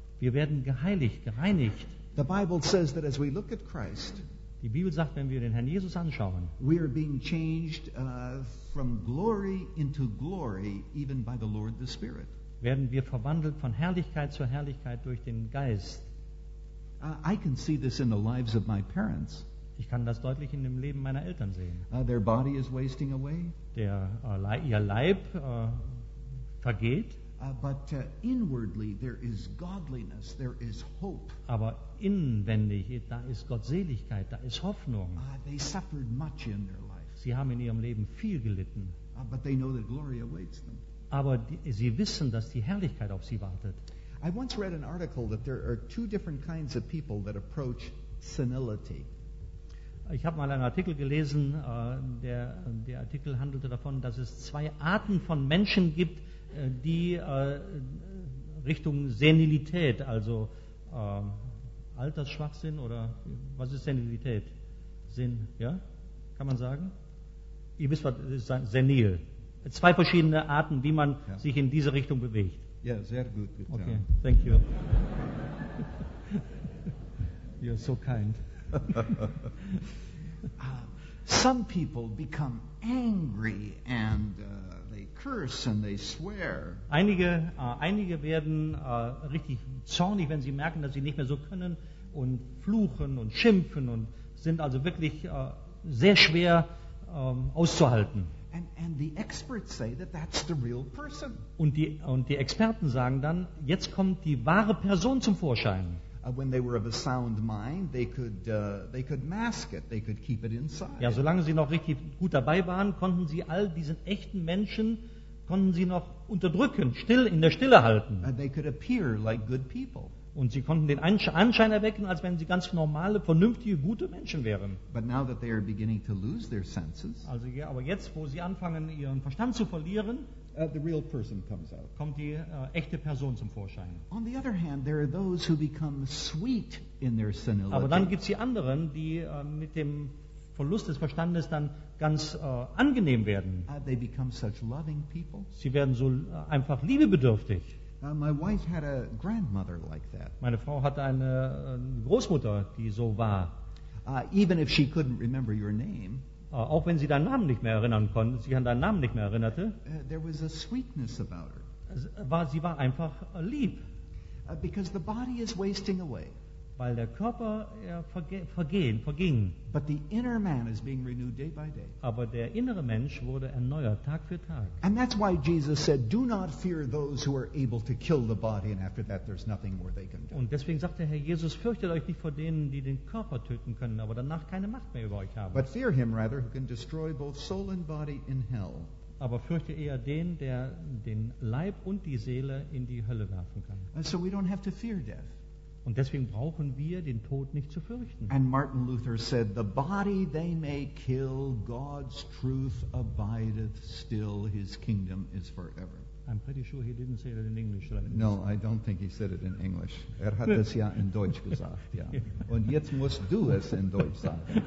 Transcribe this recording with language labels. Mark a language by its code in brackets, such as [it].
[de] Wir werden geheiligt, gereinigt. [en] The Bible says that as we look at Christ, [de] die Bibel sagt, wenn wir den Herrn Jesus anschauen, [en] we are being changed from glory into glory, even by the Lord the Spirit. [de] Werden wir verwandelt von Herrlichkeit zu Herrlichkeit durch den Geist. [en] I can see this in the lives of my parents. [de] Ich kann das deutlich in dem Leben meiner Eltern sehen. [en] Their body is wasting away. [de] Ihr Leib vergeht. [en] But inwardly there is godliness, there is hope. [de] Aber inwendig, da ist Gottseligkeit, da ist Hoffnung. [en] They suffered much in their life. [de] Sie haben in ihrem Leben viel gelitten. [en] But they know that glory awaits them. [de] Aber sie wissen, dass die Herrlichkeit auf sie wartet. [en] I once read an article that there are two different kinds of people that approach senility. [de] Ich habe mal einen Artikel gelesen, der Artikel handelte davon, dass es zwei Arten von Menschen gibt, die Richtung Senilität, also Altersschwachsinn oder was ist Senilität? Sinn, ja? Kann man sagen? Ihr wisst, was ist senil? Zwei verschiedene Arten, wie man sich in diese Richtung bewegt. Ja, sehr gut. [en] Okay, thank you. You're so kind. Some people become angry and they curse and they swear. [de] Einige werden richtig zornig, wenn sie merken, dass sie nicht mehr so können, und fluchen und schimpfen und sind also wirklich sehr schwer auszuhalten. [en] And the experts say that that's the real person. [de] Und die Experten sagen dann, jetzt kommt die wahre Person zum Vorschein. [en] When they were of a sound mind, they could mask it, they could keep it inside. [de] Ja, solange sie noch richtig gut dabei waren, konnten sie all diesen echten Menschen, konnten sie noch unterdrücken, still in der Stille halten. [en] They could appear like good people. [de] Und sie konnten den Anschein erwecken, als wenn sie ganz normale, vernünftige, gute Menschen wären. [en] But now that they are beginning to lose their senses, [de] also ja, aber jetzt, wo sie anfangen, ihren Verstand zu verlieren, [en] the real person comes out. [de] Kommt die echte Person zum Vorschein. [en] On the other hand, there are those who become sweet in their senility. [de] Aber dann gibt es die anderen, die mit dem Verlust des Verstandes dann ganz angenehm werden. [en] They become such loving people. [de] Sie werden so einfach liebebedürftig. [en] My wife had a grandmother like that. [de] Meine Frau hatte eine Großmutter, die so war. [en] Even if she couldn't remember your name, [de] auch wenn sie deinen Namen nicht mehr erinnern konnte, sich an deinen Namen nicht mehr erinnerte, [en] there was a sweetness about her. [de] Sie war einfach lieb. [en] Because the body is wasting away. [de] Weil der Körper verging. [en] But the inner man is being renewed day by day. [de] Aber der innere Mensch wurde erneuert Tag für Tag. [en] And that's why Jesus said, "Do not fear those who are able to kill the body, and after that, there's nothing more they can do." [de] Und deswegen sagte Herr Jesus, fürchtet euch nicht vor denen, die den Körper töten können, aber danach keine Macht mehr über euch haben. [en] But fear him rather who can destroy both soul and body in hell. [de] aber fürchte eher den, der den Leib und die Seele in die Hölle werfen kann. [en] And so we don't have to fear death. [de] Und deswegen brauchen wir den Tod nicht zu fürchten. [en] And Martin Luther said, the body they may kill, God's truth abideth still, his kingdom is forever. I'm pretty sure he didn't say that in English. No, I don't think he said it in English. [de] Hat es ja in Deutsch gesagt, ja. Und jetzt musst du es in Deutsch sagen.